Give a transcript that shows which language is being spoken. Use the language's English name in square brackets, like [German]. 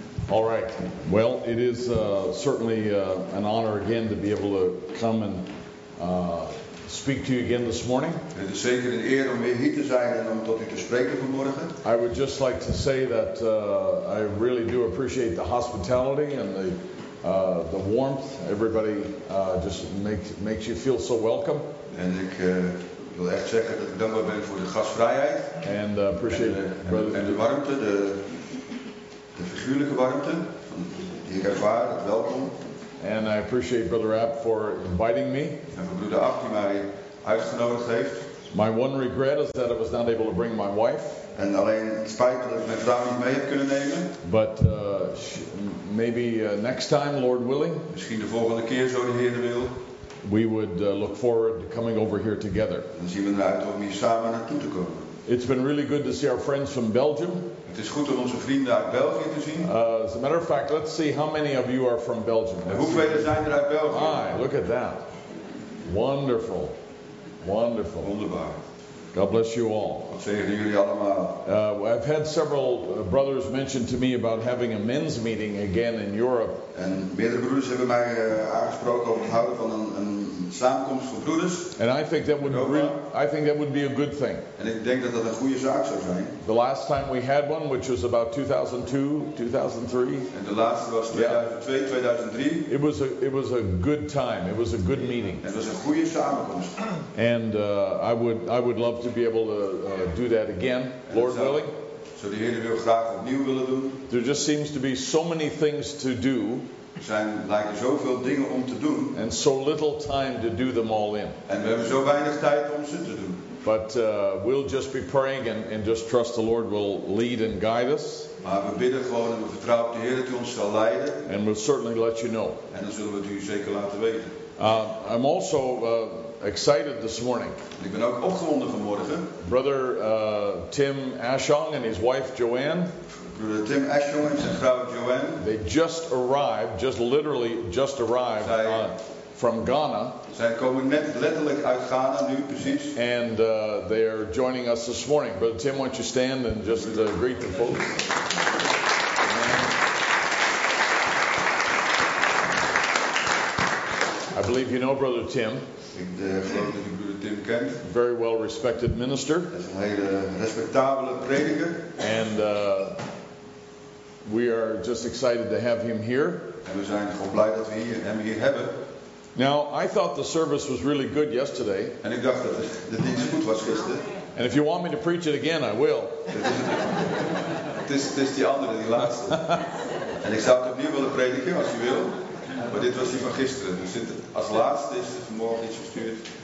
[English] All right. Well, it is certainly an honor again to be able to come and speak to you again this morning. [Dutch] Het is zeker een eer om weer hier te zijn en om tot u te spreken vanmorgen. [English] I would just like to say that I really do appreciate the hospitality and the warmth, everybody just makes you feel so welcome. [Dutch] En ik Ik wil echt zeggen dat ik dankbaar ben voor de gastvrijheid. [English] And appreciate [Dutch] en de warmte, de figuurlijke warmte die ik ervaar, het welkom. [English] And I appreciate Brother App for inviting me. [Dutch] En voor Broeder App die mij uitgenodigd heeft. [English] My one regret is that I was not able to bring my wife. [Dutch] En alleen spijt dat ik mijn vrouw niet mee heb kunnen nemen. [English] But maybe next time, Lord willing. [Dutch] Misschien de volgende keer, zo de Heer wil. [English] We would look forward to coming over here together. [Dutch] Dan zien we eruit om hier samen naartoe te komen. [English] It's been really good to see our friends from Belgium. [Dutch] Het is goed om onze vrienden uit België te zien. [English] As a matter of fact, let's see how many of you are from Belgium. [Dutch] Hoeveel zijn er uit België? [English] Hi, look at that. Wonderful. Wonderful. [Dutch] Wonderbaar. [English] God bless you all. [Dutch] God zegen jullie allemaal. [English] I've had several brothers mention to me about having a men's meeting again in Europe. [Dutch] En meerdere broeders hebben mij aangesproken over het houden van een samenkomst voor broeders. [English] And I think that would be a good thing. [Dutch] En ik denk dat een goede zaak zou zijn. [English] The last time we had one, which was about 2002, 2003. [Dutch] En de laatste was 2002, 2003. [English] It was a good time. It was a good meeting. [Dutch] En het was een goede samenkomst. [English] And I would love to be able to do that again, Lord willing. [Dutch] Zou die Heer wil graag opnieuw willen doen. [English] There just seems to be so many things to do. [Dutch] Lijken zoveel dingen om te doen. [English] And so little time to do them all in. [Dutch] En we hebben zo weinig tijd om ze te doen. [English] But we'll just be praying and just trust the Lord will lead and guide us. [Dutch] Maar we bidden gewoon en we vertrouwen de Heer dat hij ons zal leiden. [English] And we'll certainly let you know. [Dutch] En dan zullen we het u zeker laten weten. [English] I'm also excited this morning. [Dutch] Ik ben ook opgewonden vanmorgen. [English] Brother Tim Ashong and his wife Joanne. [Dutch] Broeder Tim Ashong en zijn vrouw Joanne. [English] They just arrived, just arrived from Ghana. [Dutch] Zij komen net letterlijk uit Ghana nu, precies. [English] And they are joining us this morning. Brother Tim, why don't you stand and just greet the folks. I believe you know Brother Tim. [Dutch] Ik geloof dat u Brother Tim kent. [English] Very well respected minister. [Dutch] Een hele respectabele prediker. [English] And we are just excited to have him here. [Dutch] En we zijn gewoon blij dat we hem hier hebben. [English] Now, I thought the service was really good yesterday. [Dutch] En ik dacht dat de dienst goed was gisteren. [English] And if you want me to preach it again, I will. [Dutch] Het is die andere, die laatste. En ik zou het opnieuw willen prediken, als je wil. Maar dit was die van gisteren. Dus als laatste is het vanmorgen iets gestuurd.